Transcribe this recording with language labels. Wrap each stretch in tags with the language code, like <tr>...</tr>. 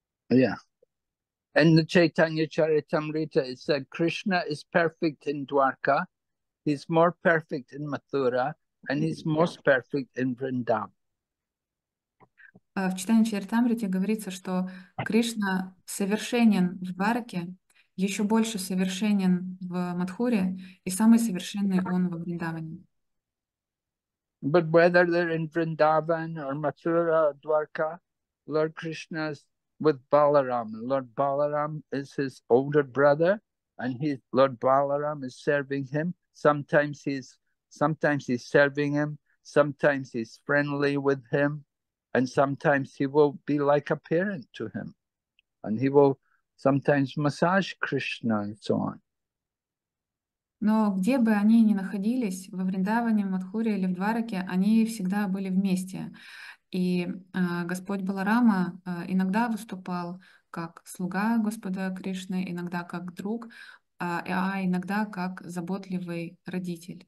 <en>Yeah. In the Chaitanya Charitamrita, it said Krishna is perfect in Dwarka, he's more perfect in Mathura, and he's most perfect in Vrindavan.</en> <ru>В Чайтанья Чаритамрите говорится, что Кришна совершенен в Двараке, еще больше совершенен в Матхуре, и самый совершенный он во Вриндаване.</ru> <en>But whether they're in Vrindavan or Mathura or Dwarka, Lord Krishna is with Balaram. Lord Balaram is his older brother, and he, Lord Balaram is serving him. Sometimes he's serving him, sometimes he's friendly with him. And sometimes he will be like a parent to him. And he will sometimes massage Krishna and so on.</en> <ru>Но где бы они ни находились, во Вриндаване, Матхуре или в Двараке, они всегда были вместе. И Господь Баларама иногда выступал как слуга Господа Кришны, иногда как друг, а иногда как заботливый родитель.</ru>